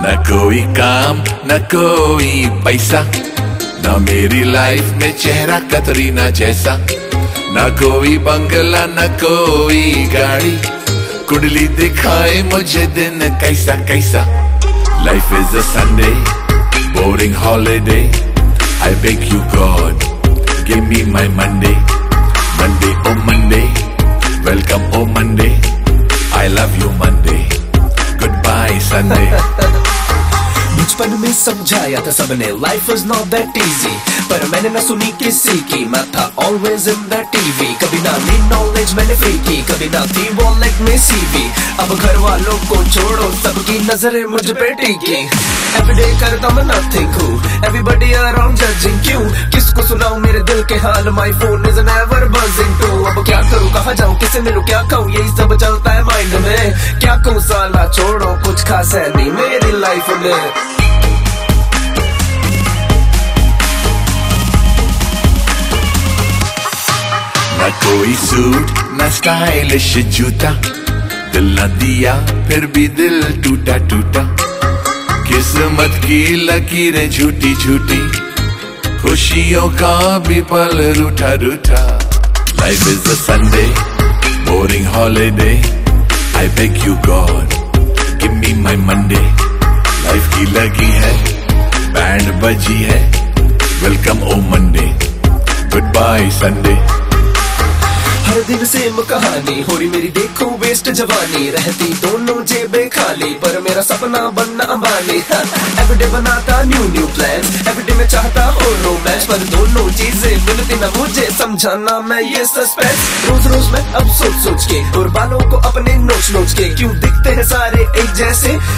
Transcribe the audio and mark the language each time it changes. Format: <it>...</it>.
<hi>कोई काम न कोई पैसा, न मेरी लाइफ में चेहरा कतरीना जैसा, न कोई बंगला न कोई गाड़ी, कुंडली दिखाए मुझे दिन कैसा कैसा।</hi> <en>Life is a Sunday, boring holiday, I beg you God, give me my Monday. Monday, oh Monday, welcome oh Monday, I love you Monday, goodbye Sunday.</en> <hi>बचपन में समझाया था सबने,</hi> <en>life is not that easy,</en> <hi>पर मैंने ना सुनी किसी की, मैं था</hi> <en>always in the TV,</en> <hi>कभी ना नी knowledge मैंने free की, कभी ना थी वो लेक में CV, अब घर वालों को छोड़ो, सबकी नजरें मुझ पे टिकी, everyday करता मैं nothing हूँ,</hi> <en>everybody around judging</en> <hi>क्यों, किसको सुनाऊँ मेरे दिल के हाल,</hi> <en>my phone is never buzzing too,</en> <hi>अब क्या करूँ कहाँ जाऊँ किसे मिलूँ क्या कहूँ, यही सब चलता है mind में, क्या कहूँ साला छोड़ो कुछ खास है नहीं मेरी लाइफ में। ना कोई सूट ना स्टाइलिश जूता, दिल ना दिया फिर भी दिल टूटा टूटा, किस्मत की लकीरें झूठी झूठी, खुशियों का भी पल रूठा रूठा।</hi> <en>Life is a Sunday, boring holiday, I beg you God, give me my Monday.</en> <hi>Life की लगी है बैंड बजी है,</hi> <en>Welcome oh Monday, goodbye Sunday.</en> <hi>हर दिन सेम कहानी हो रही मेरी, देखो वेस्ट जवानी, रहती दोनों जेबें खाली, पर मेरा सपना बनना अंबानी, एवरीडे बनाता न्यू न्यू प्लान, एवरीडे में चाहता हो रोमांस, पर दोनों चीजें मिलती ना मुझे, समझाना मैं ये सस्पेंस, रोज रोज मैं अब सोच सोच के और बालों को अपने नोच नोच के, क्यों दिखते हैं सारे एक जैसे,</hi>